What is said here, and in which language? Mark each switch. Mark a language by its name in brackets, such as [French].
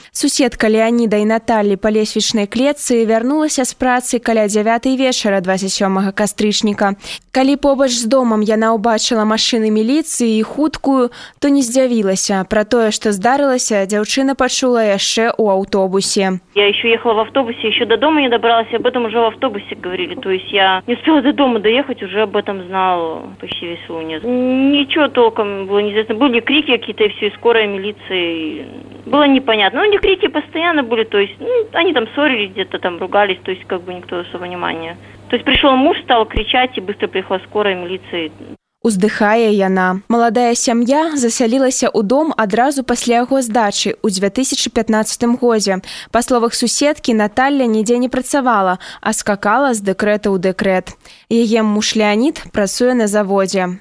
[Belarusian] Суседка Леаніда і Наталлі па лесвічнай клетцы вярнулася з працы каля 9 вечара 27 кастрычніка. Калі побач з домам яна ўбачыла машыны міліцыі і хуткую, то не здзявілася. Пра тое, што здарылася, дзяўчына пачула яшчэ ў аўтобусе. [Russian] Я ещё ехала в автобусе, еще до дома не добралась, об этом уже в автобусе говорили. То есть я не успела до дома доехать, уже об этом знала почти весь Лунец. Ничего толком было неизвестно. Были крики какие-то, и все, и скорая, и милиция. И... было непонятно. Ну, у них крики постоянно были, то есть ну, они там ссорились где-то, там ругались, то есть как бы никто особо внимания. То есть пришел муж, стал кричать, и быстро приехала скорая, милиция. [Belarusian] Уздыхае яна. Маладая сям'я засялілася ў дом адразу пасля яго здачы ў 2015 годзе. Па словах суседкі, Наталля нідзе не працавала, а скакала з дэкрэта ў дэкрэт. Яе муж Леанід працуе на заводзе.